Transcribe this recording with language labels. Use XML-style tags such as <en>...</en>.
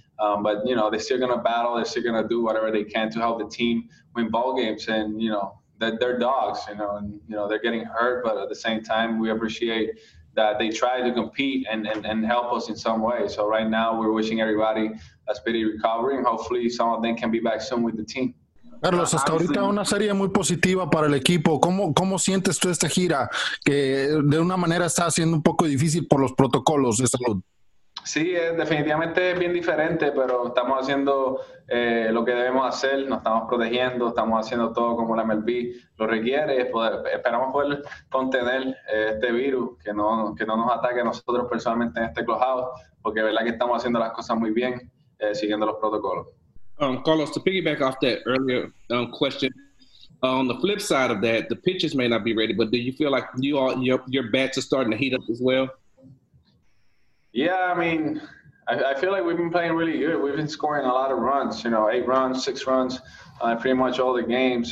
<en>But they're still going to battle. They're still going to do whatever they can to help the team win ball games, and, they're dogs, they're getting hurt, but at the same time, we appreciate that they try to compete and help us in some way. So right now, we're wishing everybody a speedy recovery, and hopefully some of them can be back soon with the team.</en> <es>Carlos, hasta ahorita una serie muy positiva para el equipo. ¿Cómo sientes tú esta gira? Que de una manera está siendo un poco difícil por los protocolos de salud. Sí, definitivamente es bien diferente, pero estamos haciendo lo que debemos hacer, nos estamos protegiendo, estamos haciendo todo como la MLB lo requiere. Esperamos poder contener este virus, que no nos ataque a nosotros personalmente en este clubhouse, porque es verdad que estamos haciendo las cosas muy bien, siguiendo los protocolos.</es> <en>Carlos, to piggyback off that earlier question, On the flip side of that, the pitchers may not be ready, but do you feel like you all, your bats are starting to heat up as well? Yeah, I mean, I feel like we've been playing really good. We've been scoring a lot of runs, you know, 8 runs, 6 runs, pretty much all the games.</en>